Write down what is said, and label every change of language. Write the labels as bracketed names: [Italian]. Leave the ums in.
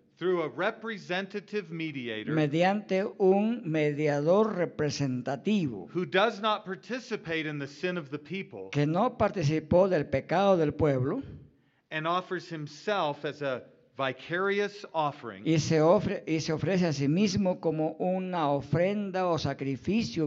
[English] through a representative mediator [Spanish] mediante un mediador representativo [English] who does not participate in the sin of the people [Spanish] que no participó del pecado del pueblo [English] and offers himself as a vicarious offering [Spanish] y se, y se ofrece a sí mismo como una ofrenda o sacrificio